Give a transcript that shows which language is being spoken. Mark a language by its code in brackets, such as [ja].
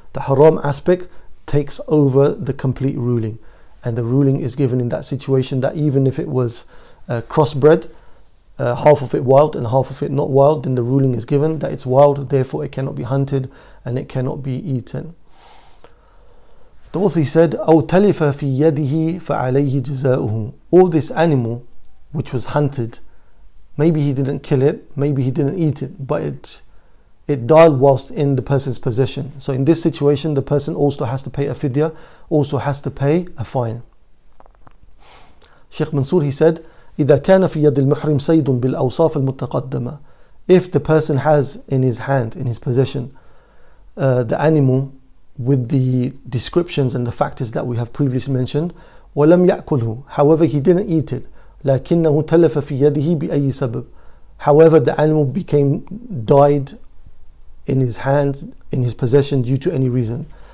[en] The haram aspect takes over the complete ruling. And the ruling is given in that situation that even if it was crossbred, half of it wild and half of it not wild, then the ruling is given that it's wild, therefore it cannot be hunted and it cannot be eaten. The author said, [ar] أَوْ تَلِفَ فِي يَدِهِ فَعَلَيْهِ جَزَاؤُهُ. [en] All this animal which was hunted, maybe he didn't kill it, maybe he didn't eat it, but it died whilst in the person's possession. So in this situation, the person also has to pay a fidya, also has to pay a fine. Sheikh Mansour, he said, [ar] إِذَا كَانَ فِي يَدِ الْمُحْرِمْ سَيْدٌ بِالْأَوْصَافِ الْمُتَقَدَّمَةِ. [en] If the person has in his hand, in his possession, the animal with the descriptions and the factors that we have previously mentioned, [ar] وَلَمْ يَأْكُلْهُ. [en] However, he didn't eat it. [ar] لَكِنَّهُ تَلَفَ فِي يَدِهِ بِأَيِّ سَبَبٍ. [en] However, the animal became died in his hand, in his possession, due to any reason.